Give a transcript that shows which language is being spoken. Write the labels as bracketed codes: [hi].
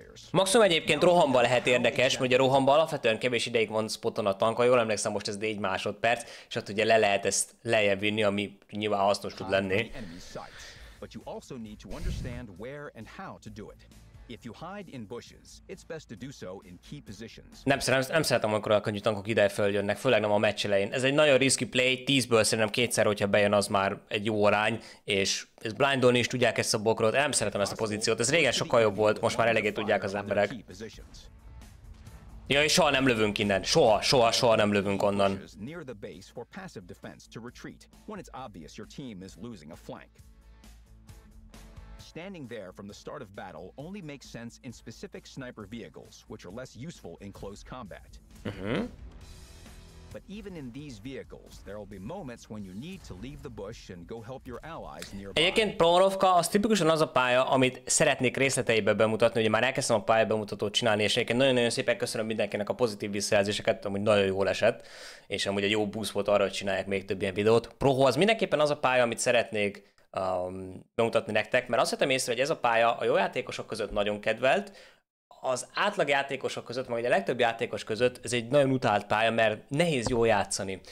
[hu] Maximum egyébként rohamba lehet érdekes, mert ugye rohamba alapvetően kevés ideig van spoton a tank, jól emlékszem, most ez 4 másodperc, és ott ugye le lehet ezt lejjebb vinni, ami nyilván hasznos tud lenni. [en] But you also need to understand where and how to do it. If you hide in bushes, it's best to do so in key positions. [hu] Nem szeretem, amikor a könnyű tankok ide följönnek, főleg nem a meccs elején. Ez egy nagyon [en] risky play, [hu] 10-ből szerintem 2-szer, hogyha bejön, az már egy jó arány, és ezt blindolni is tudják ezt a bokrot. Nem szeretem ezt a pozíciót, ez régen sokkal jobb volt, most már eléggé tudják az emberek. Ja, és soha nem lövünk innen. Soha nem lövünk onnan. [en] Near the base for passive defense to retreat when it's obvious your team is losing a flank. Standing there from the start of battle only makes sense in specific sniper vehicles, which are less useful in close combat. Mm-hmm. But even in these vehicles, there will be moments when you need to leave the bush and go help your allies nearby. [hu] Egyébként Plonovka az tipikusan az a pálya, amit szeretnék részleteibe bemutatni, ugye már elkezdtem a pályabemutatót csinálni, és egyébként nagyon-nagyon szépen köszönöm mindenkinek a pozitív visszajelzéseket, amúgy nagyon jól esett, és amúgy egy jó boost volt arra, hogy csinálják még több ilyen videót. Proho az mindenképpen az a pálya, amit szeretnék bemutatni nektek, mert azt vettem észre, hogy ez a pálya a jó játékosok között nagyon kedvelt, az átlag játékosok között, meg ugye a legtöbb játékos között ez egy nagyon utált pálya, mert nehéz jól játszani.